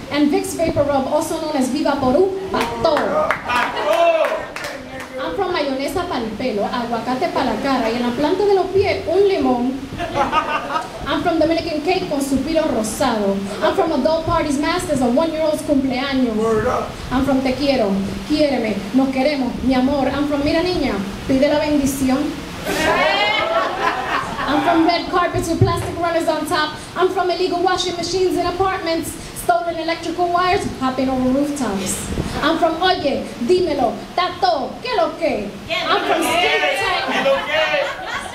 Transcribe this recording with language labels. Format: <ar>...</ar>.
<en>And Vicks Vapor Rub, also known as Viva Porú, Pastor. I'm from</en> <es>mayonesa para el pelo, aguacate para la cara, y en la planta de los pies, un limón.</es> <en>I'm from Dominican cake</en> <es>con suspiro rosado.</es> <en>I'm from adult parties, masters, a one-year-old's cumpleaños. I'm from</en> <es>te quiero, quiéreme, nos queremos, mi amor.</es> <en>I'm from</en> <es>mira niña, pide la bendición.</es> <en>I'm from red carpets with plastic runners on top. I'm from illegal washing machines in apartments. Stolen electrical wires hopping over rooftops. I'm from</en> <es>Oye, Dímelo, Tato, ¿Qué lo que?</es> <en>I'm from skin tight.</en>